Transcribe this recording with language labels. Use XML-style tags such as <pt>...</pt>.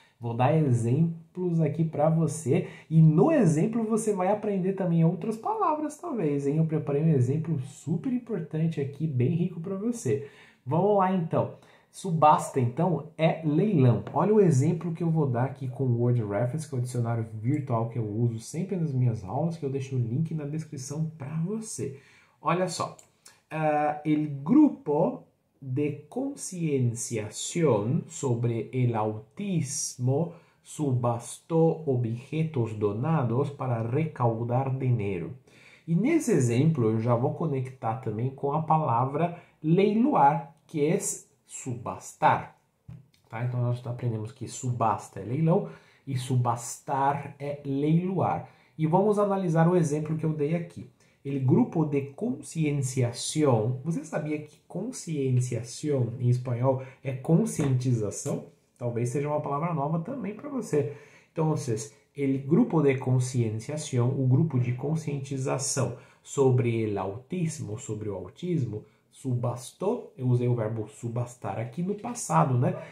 <pt>Vou dar exemplos aqui para você e no exemplo você vai aprender também outras palavras, talvez, hein? Eu preparei um exemplo super importante aqui, bem rico para você. Vamos lá então. Subasta, então, é leilão. Olha o exemplo que eu vou dar aqui com o Word Reference, que é o dicionário virtual que eu uso sempre nas minhas aulas, que eu deixo o link na descrição para você. Olha só.</pt> <es>El grupo de concienciación sobre el autismo subastó objetos donados para recaudar dinero.</es> <pt>E nesse exemplo, eu já vou conectar também com a palavra leiloar, que é subastar. Tá? Então, nós aprendemos que subasta é leilão e subastar é leiloar. E vamos analisar o exemplo que eu dei aqui.</pt> <es>El grupo de concienciación.</es> <pt>Você sabia que concienciación em espanhol é conscientização? Talvez seja uma palavra nova também para você. Então,</pt> <es>el grupo de concienciación,</es> <pt>o grupo de conscientização</pt> <es>sobre el autismo,</es> <pt>sobre o autismo, subastou, eu usei o verbo subastar aqui no passado, né?</pt>